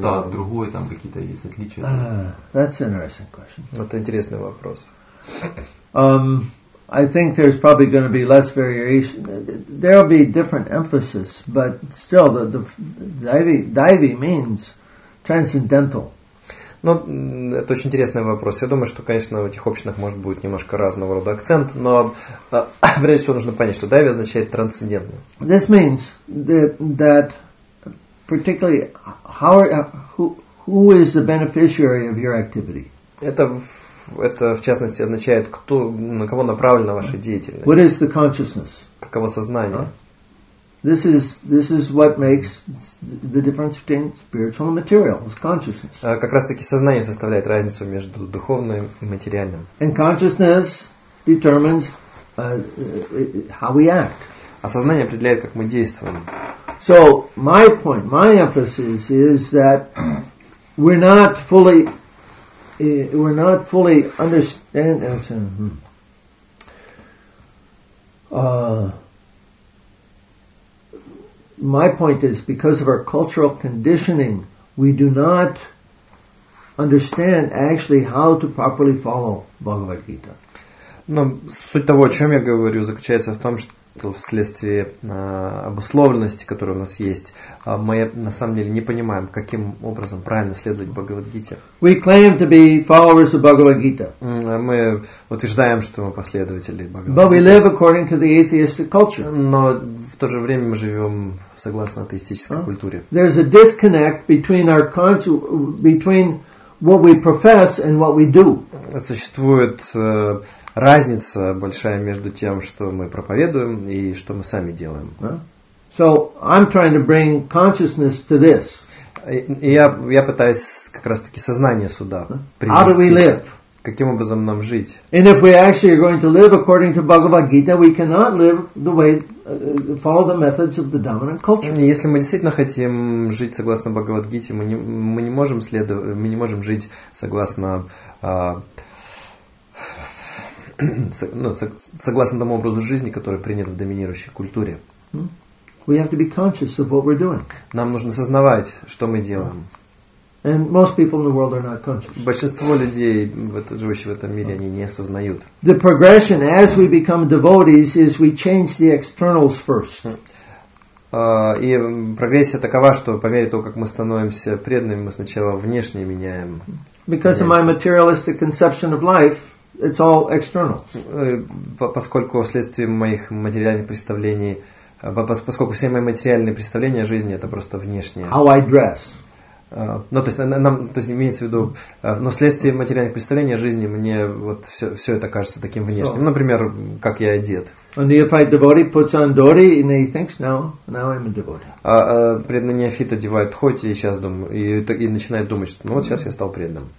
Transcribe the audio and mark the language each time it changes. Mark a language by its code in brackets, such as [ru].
[ru] Да, другой там какие-то есть отличия. [en] That's an interesting question. [ru] Это интересный вопрос. [en] I think there's probably going to be less variation. There'll be different emphasis, but still, the Daivi means transcendental. [ru] Ну, это очень интересный вопрос. Я думаю, что, конечно, в этих общинах может быть немножко разного рода акцент, но прежде всего нужно понять, что Daivi означает трансцендентный. [en] This means that particularly who is the beneficiary of your activity? [ru] Это в частности означает, кто, на кого направлена ваша деятельность. [en] What is the consciousness? [ru] Каково сознание? [en] This is what makes the difference between spiritual and material. It's consciousness. [ru] Как раз таки сознание составляет разницу между духовным и материальным. [en] And consciousness determines how we act. [ru] А сознание определяет, как мы действуем. [en] So my point, my emphasis is that we're not fully. We're not fully understanding. My point is, because of our cultural conditioning, we do not understand actually how to properly follow Bhagavad Gita. [ru] Но суть того, о чем я говорю, заключается в том, что вследствие обусловленности, которая у нас есть, мы на самом деле не понимаем, каким образом правильно следовать Бхагавад-гите. [en] We claim to be followers of Bhagavad-gita. [ru] Мы утверждаем, что мы последователи Бхагавад-гиты. [en] But we live according to the atheistic culture. [ru] Но в то же время мы живем согласно атеистической культуре. [en] There's a disconnect between our between what we profess and what we do. [ru] Существует разница большая между тем, что мы проповедуем и что мы сами делаем. [en] So I'm trying to bring consciousness to this. [ru] Я пытаюсь как раз таки сознание сюда привести. [en] How do we live? [ru] Каким образом нам жить? [en] And if we actually are going to live according to Bhagavad Gita, we cannot live the way follow the methods of the dominant culture. [ru] Если мы действительно хотим жить согласно Бхагавад Гите, мы не можем жить согласно согласно тому образу жизни, который принят в доминирующей культуре. [en] We have to be conscious of what we're doing. [ru] Нам нужно сознавать, что мы делаем. [en] And most people in the world are not conscious. [ru] Большинство людей, живущих в этом мире, они не осознают. [en] The progression as we become devotees is we change the externals first. [ru] И прогрессия такова, что по мере того, как мы становимся преданными, мы сначала внешне меняем. [en] Because of my materialistic conception of life, it's all external. [ru] Поскольку вследствие моих материальных представлений, поскольку все мои материальные представления о жизни это просто внешнее. [en] How I dress. [ru] Ну, то есть, нам, то есть, имеется в виду, но вследствие материальных представлений о жизни мне вот все это кажется таким внешним. Например, как я одет. Преданный неофит одевает хоть и сейчас думает, и начинает думать, что ну, вот сейчас я стал преданным.